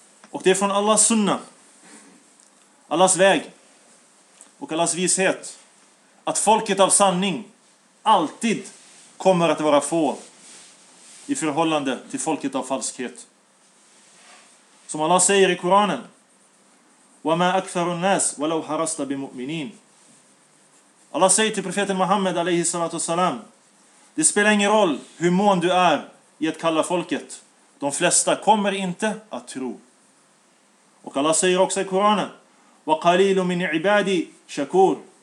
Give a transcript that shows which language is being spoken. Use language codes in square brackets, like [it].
[sv] Och det är från Allahs sunna, Allahs väg och Allahs vishet att folket av sanning alltid kommer att vara få i förhållande till folket av falskhet. Som Allah säger i Koranen: [ar] وَمَا أَكْثَرُ النَّاسِ وَلَوْ هَرَسْتَ بِمُؤْمِنِينَ. [sv] Allah säger till profeten Muhammed alayhi salatu wasalam: det spelar ingen roll hur mån du är i att kalla folket, de flesta kommer inte att tro. Och Allah säger också i Koranen: [ar] وَقَلِيلُ مِنْ عِبَادِي شَكُور.